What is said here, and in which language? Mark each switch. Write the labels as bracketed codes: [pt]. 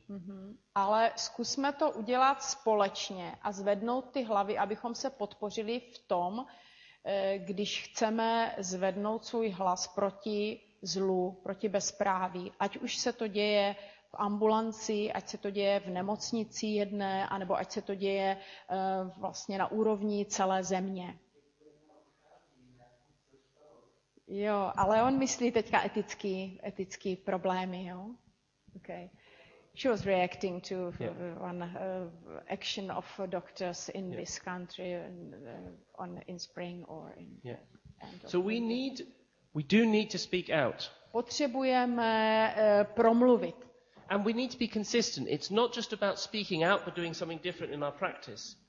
[cs] Mm-hmm. Ale zkusme to udělat společně a zvednout ty hlavy, abychom se podpořili v tom, když chceme zvednout svůj hlas proti zlu, proti bezpráví. Ať už se to děje v ambulanci, ať se to děje v nemocnici jedné, anebo ať se to děje vlastně na úrovni celé země. Jo, ale on myslí teďka etický problémy, jo? [en] Okay. She was reacting to one action of doctors in this country on in spring or in End. So we do need to speak out. [cs] Potřebujeme promluvit. [en] And we need to be consistent. It's not just about speaking out but doing something different in our practice.